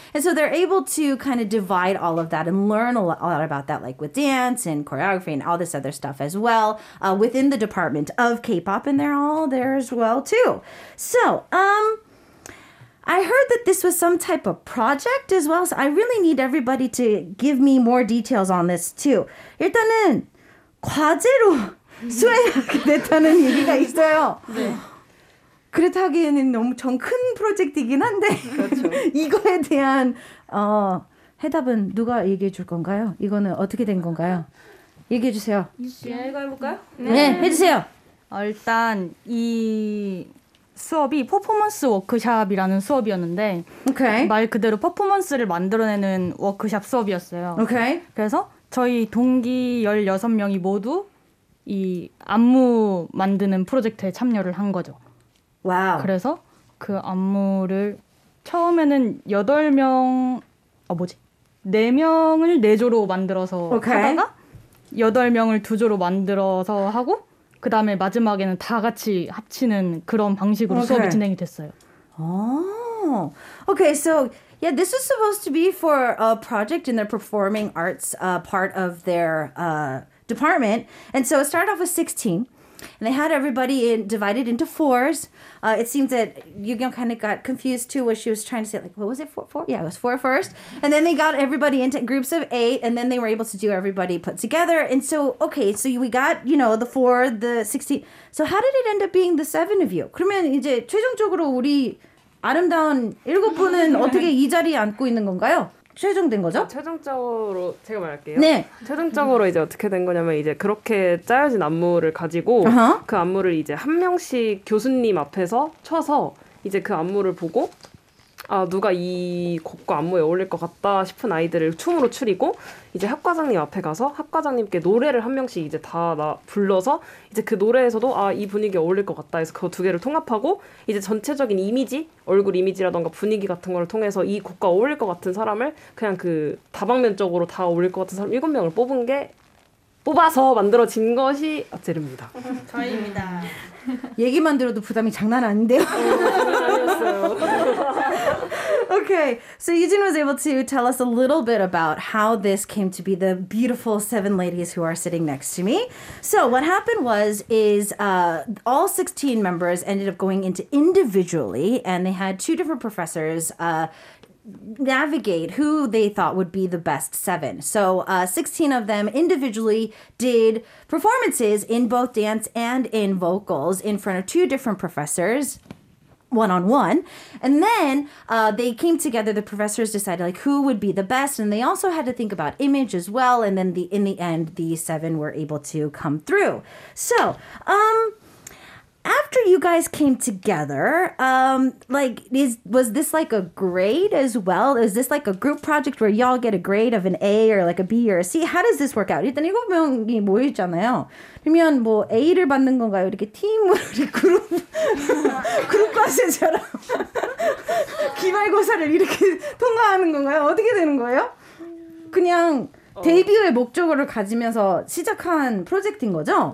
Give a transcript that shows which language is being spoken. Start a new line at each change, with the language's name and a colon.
English: And so they're able to kind of divide all of that and learn a lot about that, like with dance and choreography and all this other stuff as well within the department of K-pop. And they're all there as well, too. So, I heard that this was some type of project as well, so I really need everybody to give me more details on this too.
Korean: 일단은 과제로 수행하게 됐다는 얘기가 있어요. 네. 그렇다기에는 너무 좀 큰 프로젝트이긴 한데 그렇죠. 이거에 대한 해답은 누가 얘기해 줄 건가요? 이거는 어떻게 된 건가요? 얘기해 주세요. 얘기해 볼까요? 네. 네, 해주세요. 일단 이 수업이 퍼포먼스 워크샵이라는 수업이었는데
English: okay.
Korean: 말 그대로 퍼포먼스를 만들어내는 워크샵 수업이었어요.
English: Okay.
Korean: 그래서 저희 동기 16명이 모두 이 안무 만드는 프로젝트에 참여를 한 거죠.
English: 와우. Wow.
Korean: 그래서 그 안무를 처음에는 8명 뭐지? 4명을 4조로 만들어서 okay. 하다가 8명을 2조로 만들어서 하고 그 다음에 마지막에는 다 같이 합치는 그런 방식으로 okay. 수업이 진행이 됐어요. 오,
English: Okay, so yeah, this is supposed to be for a project in their performing arts part of their department. And so it started off with 16. And they had everybody in, divided into fours. It seems that Yugyeong kind of got confused too, what she was trying to say. Like, what was it, four? Yeah, it was four first. And then they got everybody into groups of eight, and then they were able to do everybody put together. And so, okay, so we got, you know, the four, the 16. So how did it end up being the seven of you?
Korean: 그러면 이제 최종적으로 우리 아름다운 일곱 분은 어떻게 이 자리에 앉고 있는 건가요? 최종된 거죠? 최종적으로 제가 말할게요. 네. 최종적으로 이제 어떻게 된 거냐면 이제 그렇게 짜여진 안무를 가지고 그 안무를 이제 한 명씩 교수님 앞에서 쳐서 이제 그 안무를 보고 아 누가 이 곡과 안무에 어울릴 것 같다 싶은 아이들을 춤으로 추리고 이제 학과장님 앞에 가서 학과장님께 노래를 한 명씩 이제 다 나 불러서 이제 그 노래에서도 아 이 분위기에 어울릴 것 같다 해서 그거 두 개를 통합하고 이제 전체적인 이미지 얼굴 이미지라던가 분위기 같은 걸 통해서 이 곡과 어울릴 것 같은 사람을 그냥 그 다방면적으로 다 어울릴 것 같은 사람 일곱 명을 뽑은 게 뽑아서 만들어진 것이 아젤입니다. 저희입니다. 얘기만 들어도 부담이 장난 아닌데요.
English: Okay, so Yujin was able to tell us a little bit about how this came to be the beautiful seven ladies who are sitting next to me. So what happened was is all 16 members ended up going into individually, and they had two different professors navigate who they thought would be the best seven. So 16 of them individually did performances in both dance and in vocals in front of two different professors. One-on-one. And then they came together, the professors decided like who would be the best, and they also had to think about image as well, and then in the end the seven were able to come through. So after you guys came together, was this like a grade as well? Is this like a group project where y'all get a grade of an A or like a B or a C? How does this work out?
Korean: 일단 일곱 명이 모였잖아요. 그러면 뭐 A를 받는 건가요? 이렇게 팀으로 이렇게 그룹 과제처럼 기말고사를 이렇게 통과하는 건가요? 어떻게 되는 거예요? 그냥 데뷔의 목적을 가지면서 시작한 프로젝트인 거죠?